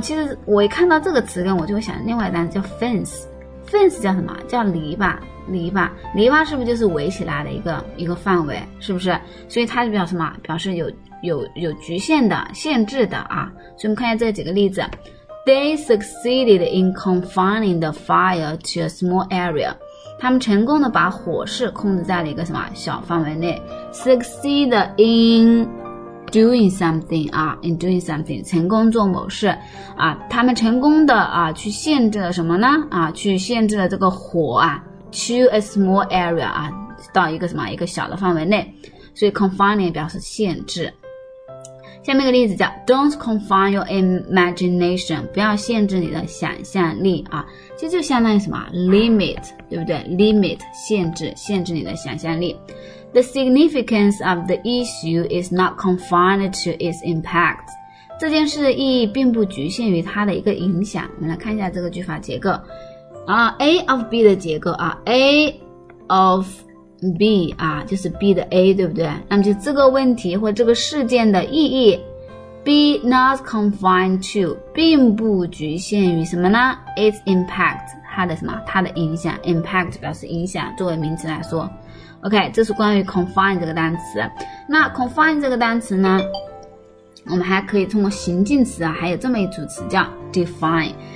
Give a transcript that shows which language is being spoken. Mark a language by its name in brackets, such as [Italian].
[Chinese] 其实我一看到这个词根，我就会想另外一单词叫 fence，fence 叫什么？叫篱笆。篱笆是不是就是围起来的一个范围，是不是？所以它就表示什么？表示有局限的、限制的啊。所以我们看一下这几个例子。 [English] They succeeded in confining the fire to a small area. [Chinese] 他们成功的把火势控制在了一个什么小范围内。 [English] Succeed in doing something, 啊 ,in doing something, [Chinese] 成功做某事。啊他们成功的啊去限制了什么呢啊去限制了这个火啊。 [English] To a small area [Chinese] 啊，到一个什么一个小的范围内，所以 confining 表示限制。下面一个例子叫 [English] Don't confine your imagination， [Chinese] 不要限制你的想象力啊，这就相当于什么 limit， 对不对 ？limit 限制你的想象力。 [English] The significance of the issue is not confined to its impact。 [Chinese] 这件事的意义并不局限于它的一个影响。我们来看一下这个句法结构。 A of B 的结构啊 ，A of B 啊，就是 B 的 A， 对不对？那么就这个问题或这个事件的意义 ， [English] be not confined to， [Chinese] 并不局限于什么呢 ？Its impact， 它的什么？它的影响 ，impact 表示影响，作为名词来说。 OK， 这是关于 confine 这个单词。那 confine 这个单词呢，我们还可以通过形近词啊，还有这么一组词叫 define。